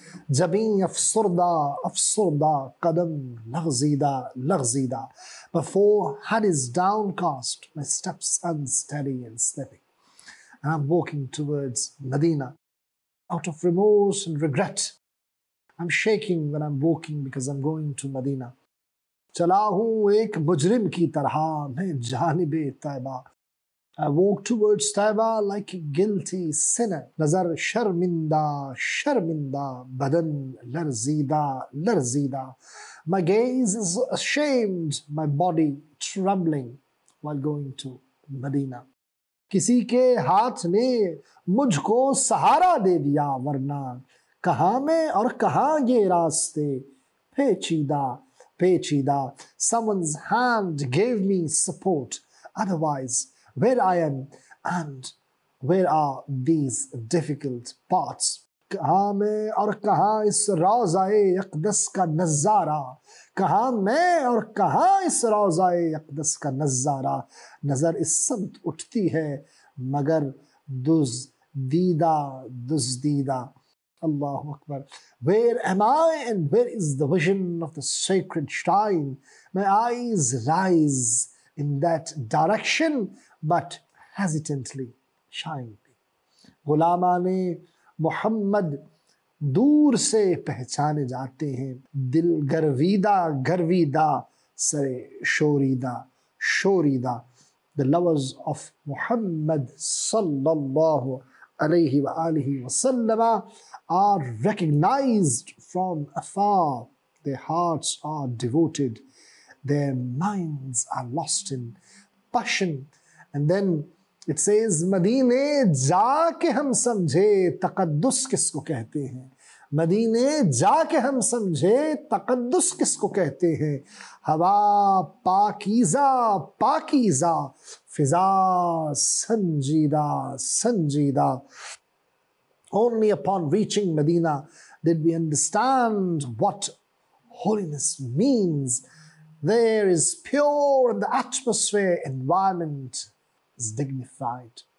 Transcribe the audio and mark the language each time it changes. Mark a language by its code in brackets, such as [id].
[ur] Jabin afsurda, afsurda, kadam laghzida, laghzida. [en] Before head is downcast, my steps unsteady and slipping. And I'm walking towards Medina. Out of remorse and regret, I'm shaking when I'm walking because I'm going to Medina. [ur] چلا ہوں ایک مجرم کی طرح میں جانب طیبہ. [en] I walk towards Taibah like a guilty sinner. [ur] نظر شرمندہ شرمندہ بدن لرزیدہ لرزیدہ. [en] My gaze is ashamed, my body trembling while going to Medina. [ur] کسی کے ہاتھ نے مجھ کو سہارا دے دیا ورنہ کہاں میں اور کہاں یہ راستے پیچیدہ. pechida. [en] Someone's hand gave me support. Otherwise, where I am and where are these difficult parts? [ur] کہاں میں اور کہاں اس روضہ اقدس کا نظارہ, کہاں میں اور کہاں اس روضہ اقدس کا نظارہ. نظر اس سمت اٹھتی ہے مگر دزدیدہ. [ar] اللہ اکبر. [en] Where am I and where is the vision of the sacred shrine? My eyes rise in that direction but hesitantly shine. [ur] غلامانِ محمد دور سے پہچانے جاتے ہیں, دل گرویدہ گرویدہ سر شوریدہ شوریدہ. [en] The lovers of Muhammad sallallahu alayhi wa alihi wa sallam are recognized from afar. Their hearts are devoted, their minds are lost in passion. And then it says, [ur] مدینے جا کے ہم سمجھے تقدس کس کو کہتے ہیں, مدینے جا کے ہم سمجھے تقدس کس کو کہتے ہیں. ہوا پاکیزہ پاکیزہ, فضا سنجیدہ سنجیدہ. [en] Only upon reaching Medina did we understand what holiness means. There is pure and the atmosphere, environment is dignified.